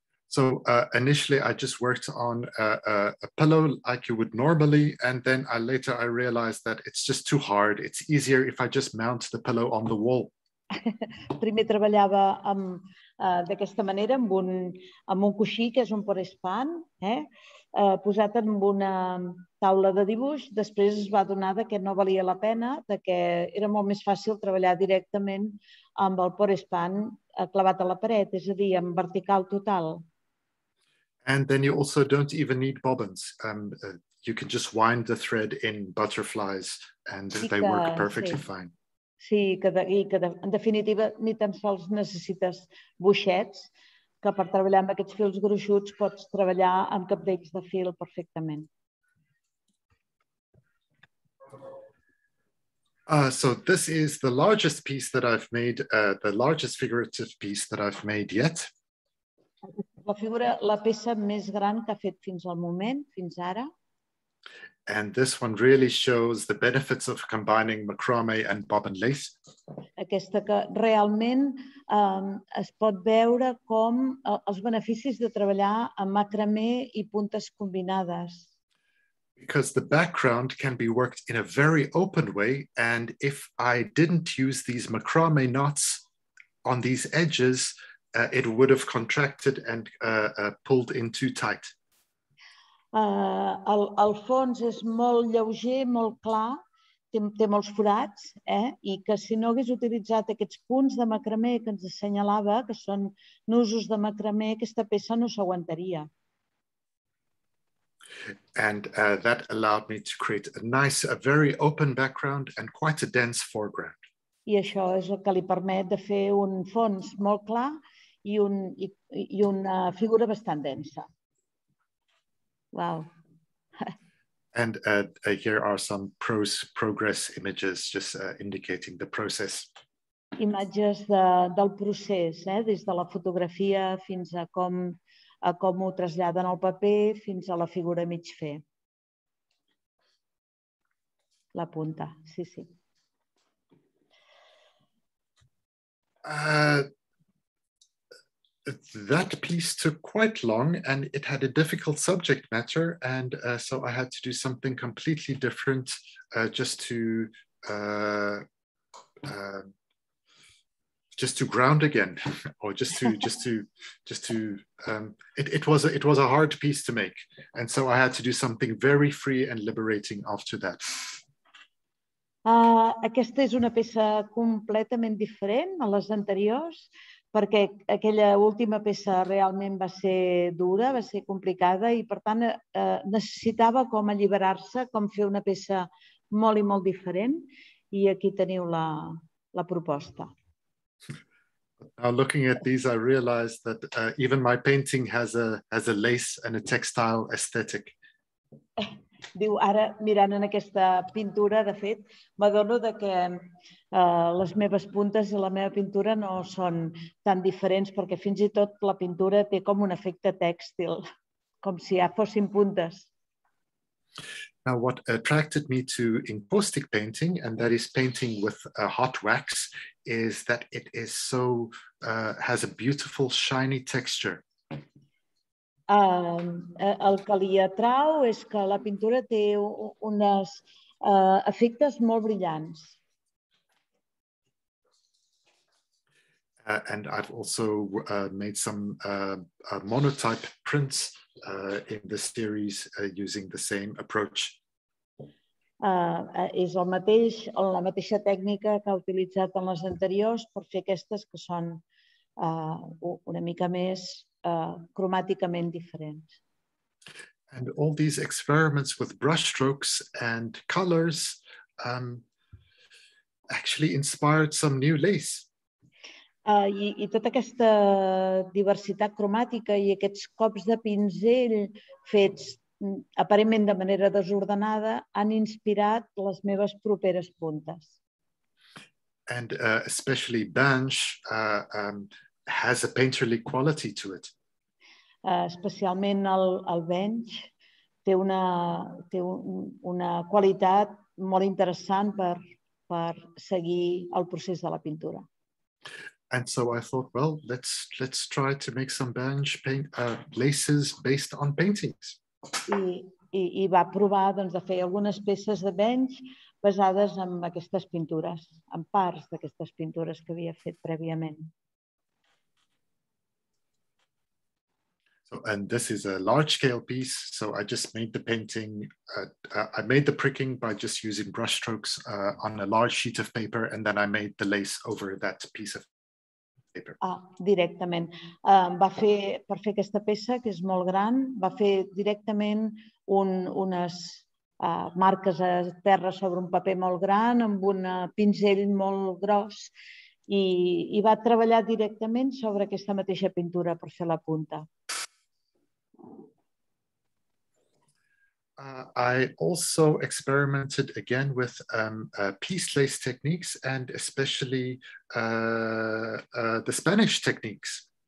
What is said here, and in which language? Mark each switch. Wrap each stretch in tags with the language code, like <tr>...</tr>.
<en>So initially I just worked on a pillow like you would normally, and then later I realized that it's just too hard. It's easier if I just mount the pillow on the wall.</en> <ca>Primer treballava amb d'aquesta manera amb un coixí, que és un porespan, posat en una taula de dibuix. Després es va adonar que no valia la pena, que era molt més fàcil treballar directament amb el porespan clavat a la paret, és a dir, en vertical total.</ca> <en>And then you also don't even need bobbins. You can just wind the thread in butterflies and they work perfectly fine.</en> <ca>Sí, en definitiva ni tan sols necessites boixets, que per treballar amb aquests fils gruixuts pots treballar amb capdells de fil perfectament.</ca> <en>So this is the largest piece that I've made, the largest figurative piece that I've made yet.</en> <ca>La peça més gran que ha fet fins al moment, fins ara.</ca> <en>And this one really shows the benefits of combining macrame and bobbin lace.</en> <ca>Aquesta que realment es pot veure com els beneficis de treballar amb macramé i puntes combinades.</ca> <en>Because the background can be worked in a very open way, and if I didn't use these macrame knots on these edges, it would have contracted and pulled in too tight.</en> <ca>El fons és molt lleuger, molt clar, té molts forats, i que si no hagués utilitzat aquests punts de macramé que ens assenyalava, que són nusos de macramé, aquesta peça no s'aguantaria.</ca> <en>And that allowed me to create a nice, a very open background and quite a dense foreground.</en> <ca>I això és el que li permet de fer un fons molt clar i una figura bastant densa.</ca> <en>Wow. And here are some progress images, just indicating the process.</en> <ca>Imatges del procés, des de la fotografia fins a com ho traslladen al paper, fins a la figura mig fer. La punta, sí, sí.</ca> <en>That piece took quite long, and it had a difficult subject matter, and so I had to do something completely different just to ground again, or it was a hard piece to make, and so I had to do something very free and liberating after that.</en> <ca>Aquesta és una peça completament diferent a les anteriors, perquè aquella última peça realment va ser dura, va ser complicada, i per tant necessitava com alliberar-se, com fer una peça molt i molt diferent, i aquí teniu la proposta.</ca> <en>Now looking at these, I realized that even my painting has a lace and a textile aesthetic.</en> <ca>Diu, ara mirant en aquesta pintura, de fet, m'adono que les meves puntes i la meva pintura no són tan diferents, perquè fins i tot la pintura té com un efecte tèxtil, com si ja fossin puntes.</ca> <en>Now, what attracted me to encaustic painting, and that is painting with hot wax, is that it is so, has a beautiful, shiny texture.</en> <ca>El que li atrau és que la pintura té unes efectes molt brillants.</ca> <en>And I've also made some monotype prints in the series using the same approach.</en> <ca>És el mateix, la mateixa tècnica que ha utilitzat en les anteriors per fer aquestes que són una mica més cromàticament diferents.</ca> <en>And all these experiments with brushstrokes and colors actually inspired some new lace.</en> <ca>I tota aquesta diversitat cromàtica i aquests cops de pinzell fets aparentment de manera desordenada han inspirat les meves properes puntes.</ca> <en>And especially Banche has a painterly quality to it.</en> <ca>Especialment el Banche té una una qualitat molt interessant per seguir el procés de la pintura.</ca> <en>And so I thought, well, let's try to make some Banche paint laces based on paintings.</en> <ca>I va provar doncs de fer algunes peces de Banche basades en aquestes pintures, en parts d'aquestes pintures que havia fet prèviament.</ca> <en>So, and this is a large scale piece, so I just made the painting, I made the pricking by just using brush strokes on a large sheet of paper, and then I made the lace over that piece of paper.</en> <ca>Ah, directament. Va fer, per fer aquesta peça, que és molt gran, va fer directament unes marques a terra sobre un paper molt gran, amb un pinzell molt gros, i va treballar directament sobre aquesta mateixa pintura per fer la punta.</ca> <en>I also experimented again with piece lace techniques and especially the Spanish techniques.</en>